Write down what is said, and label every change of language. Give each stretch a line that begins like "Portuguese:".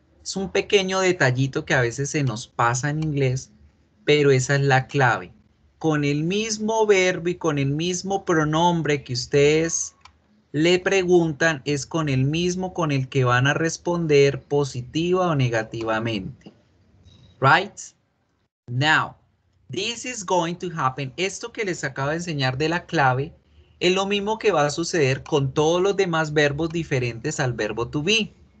Spanish: Es un pequeño detallito que a veces se nos pasa en inglés, pero esa es la clave. Con el mismo verbo y con el mismo pronombre que ustedes le preguntan, es con el mismo con el que van a responder positiva o negativamente.
English: Right? Now, this is going to happen.
Spanish: Esto que les acabo de enseñar de la clave es lo mismo que va a suceder con todos los demás verbos diferentes al verbo to be.